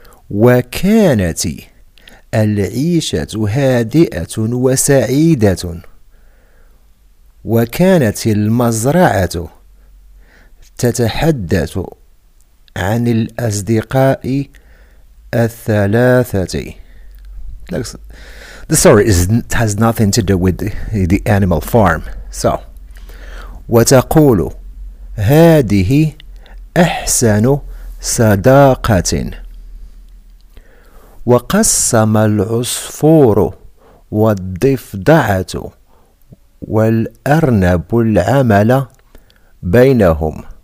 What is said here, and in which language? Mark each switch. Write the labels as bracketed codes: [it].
[ar] وكانت العيشة هادئة وسعيدة وكانت المزرعة تتحدث عن الأصدقاء الثلاثة. [en] The story has nothing to do with the animal farm. [ar] So, وتقول هذه أحسن صداقة. وقسم العصفور والضفدعة والأرنب العمل بينهم.